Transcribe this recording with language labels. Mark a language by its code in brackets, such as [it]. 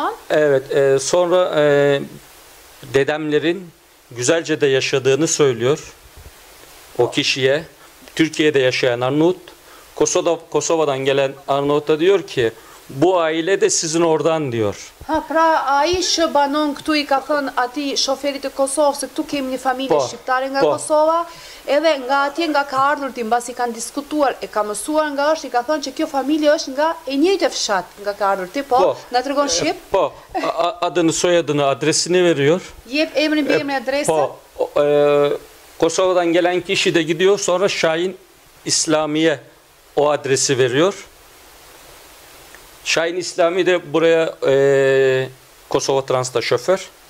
[tr] Evet, sonra dedemlerin güzelce de yaşadığını söylüyor o kişiye. Türkiye'de yaşayan Arnavut, Kosova'dan gelen Arnavut'a diyor ki, bu aile de sizin oradan diyor. [sq] Ha, pra ai që banon këtu i ka thënë ati shoferit të Kosovës, këtu kemi një familje shqiptare nga Kosova, edhe nga atje nga ka ardhur ti, mbasi kanë diskutuar, e ka mësuar nga është, i ka thënë që kjo familje është nga e njëjtë fshat nga ka ardhur ti, po, nga të rëgon Shqip? [tr] Po, adını, soyadını, adresini veriyor. [sq] Jep emrin, bemrin, adresin. [tr] Po, Kosova'dan gelen kişi de gidiyor, sonra Shahin İslami'ye o adresi veriyor. Şahin İslami de buraya Kosova Trans'ta şoför.